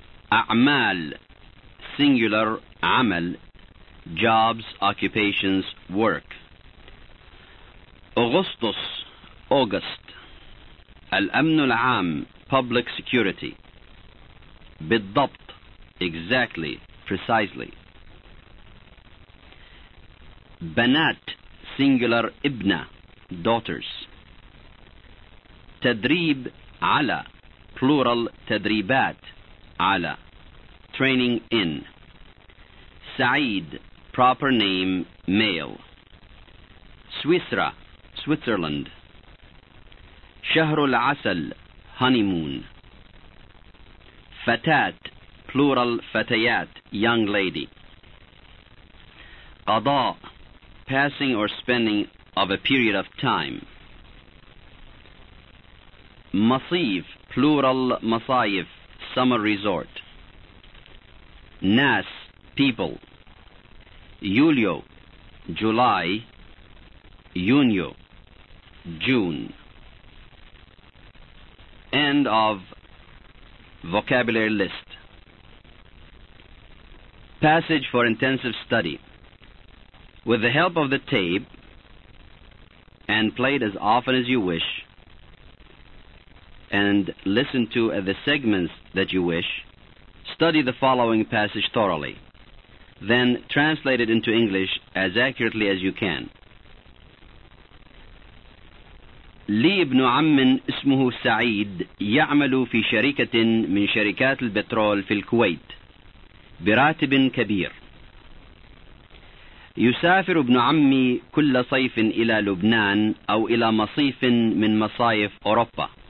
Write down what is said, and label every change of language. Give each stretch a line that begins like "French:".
English: A'mal, singular Amal, jobs, occupations, work. Augustus, August.
Arabic: Al-Amn al-Am,
English: public security. بالضبط, exactly, precisely. بنات, singular ابنة, daughters.
Arabic: تدريب على, plural تدريبات على,
English: training in. سعيد, proper name, male.
Arabic: سويسرا, Switzerland. شهر العسل, honeymoon.
English: فتاة, plural فتيات, young lady. قضاء, passing or spending of a period of time. مصيف, plural مصايف, summer resort. ناس, people. يوليو, July. يونيو, June. End of vocabulary list. Passage for intensive study. With the help of the tape, and play it as often as you wish, and listen to the segments that you wish, study the following passage thoroughly. Then translate it into English as accurately as you can.
Arabic: لي ابن عم اسمه سعيد يعمل في شركة من شركات البترول في الكويت براتب كبير. يسافر ابن عمي كل صيف إلى لبنان أو إلى مصيف من مصايف أوروبا.